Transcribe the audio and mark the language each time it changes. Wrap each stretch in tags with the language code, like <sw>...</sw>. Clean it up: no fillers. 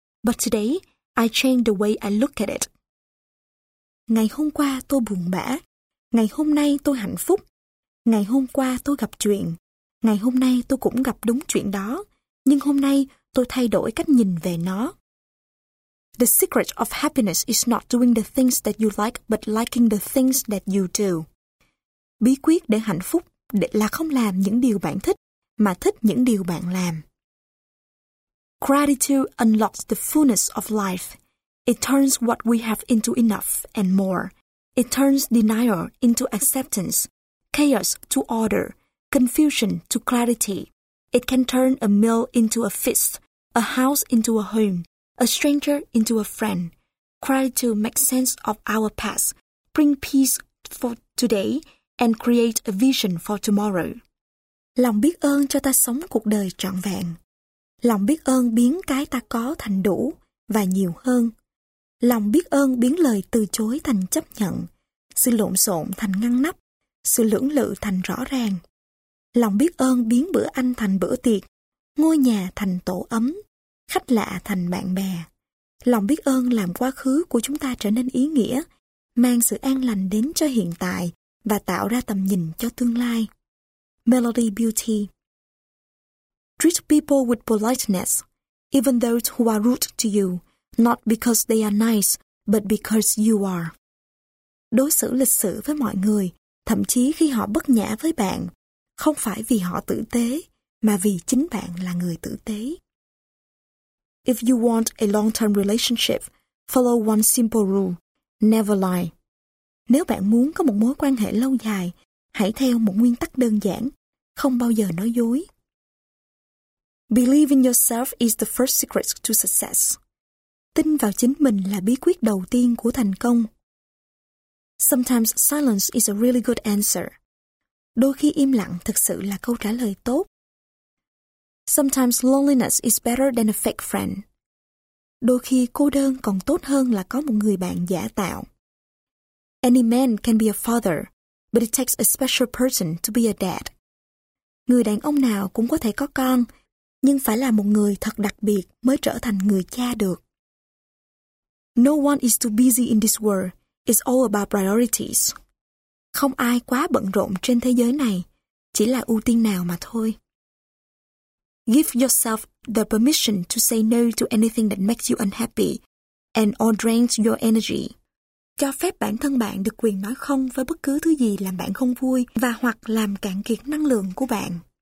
<en>But today I changed the way I look at it.</en> <vi>Ngày hôm qua tôi buồn bã. Ngày hôm nay tôi hạnh phúc. Ngày hôm qua tôi gặp chuyện. Ngày hôm nay tôi cũng gặp đúng chuyện đó. Nhưng hôm nay, tôi thay đổi cách nhìn về nó.</vi> <en>The secret of happiness is not doing the things that you like, but liking the things that you do.</en> <vi>Bí quyết để hạnh phúc là không làm những điều bạn thích, mà thích những điều bạn làm.</vi> <en>Gratitude unlocks the fullness of life. It turns what we have into enough and more. It turns denial into acceptance, chaos to order, confusion to clarity. It can turn a meal into a feast, a house into a home, a stranger into a friend. Gratitude makes sense of our past, bring peace for today, and create a vision for tomorrow.</en> <vi>Lòng biết ơn cho ta sống cuộc đời trọn vẹn. Lòng biết ơn biến cái ta có thành đủ và nhiều hơn. Lòng biết ơn biến lời từ chối thành chấp nhận, sự lộn xộn thành ngăn nắp, sự lưỡng lự thành rõ ràng. Lòng biết ơn biến bữa ăn thành bữa tiệc, ngôi nhà thành tổ ấm, khách lạ thành bạn bè. Lòng biết ơn làm quá khứ của chúng ta trở nên ý nghĩa, mang sự an lành đến cho hiện tại và tạo ra tầm nhìn cho tương lai.</vi> <en>Melody Beauty. Treat people with politeness, even those who are rude to you, not because they are nice, but because you are.</en> <vi>Đối xử lịch sự với mọi người, thậm chí khi họ bất nhã với bạn, không phải vì họ tử tế, mà vì chính bạn là người tử tế.</vi> <en>If you want a long-term relationship, follow one simple rule, never lie.</en> <vi>Nếu bạn muốn có một mối quan hệ lâu dài, hãy theo một nguyên tắc đơn giản, không bao giờ nói dối.</vi> <en>Believe in yourself is the first secret to success.</en> <vi>Tin vào chính mình là bí quyết đầu tiên của thành công.</vi> <en>Sometimes silence is a really good answer.</en> <vi>Đôi khi im lặng thực sự là câu trả lời tốt.</vi> <en>Sometimes loneliness is better than a fake friend.</en> <vi>Đôi khi cô đơn còn tốt hơn là có một người bạn giả tạo.</vi> <en>Any man can be a father, but it takes a special person to be a dad.</en> <vi>Người đàn ông nào cũng có thể có con, nhưng phải là một người thật đặc biệt mới trở thành người cha được.</vi> <en>No one is too busy in this world. It's all about priorities.</en> <vi>Không ai quá bận rộn trên thế giới này, chỉ là ưu tiên nào mà thôi.</vi> <en>Give yourself the permission to say no to anything that makes you unhappy and or drains your energy.</en> <vi>Cho phép bản thân bạn được quyền nói không với bất cứ thứ gì làm bạn không vui và hoặc làm cạn kiệt năng lượng của bạn.</vi>